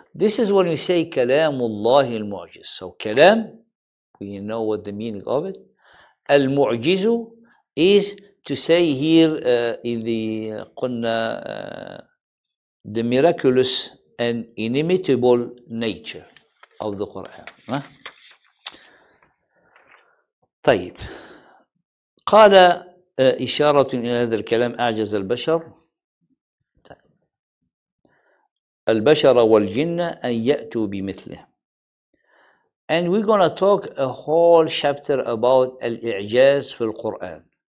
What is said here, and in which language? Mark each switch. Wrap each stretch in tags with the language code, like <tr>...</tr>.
<en>This is when you say كلامullah al-mu'jiz. So كلام, we know what the meaning of it. المعجز is to say here in the قُنَّا the miraculous and inimitable nature of the Quran.</en> <ar>طيب قال إشارة إلى هذا الكلام أعجز البشر البشر والجن أن يأتوا بمثله.</ar> <en>And we're gonna talk a whole chapter about al-i'jaz</en> <ar>في القرآن.</ar>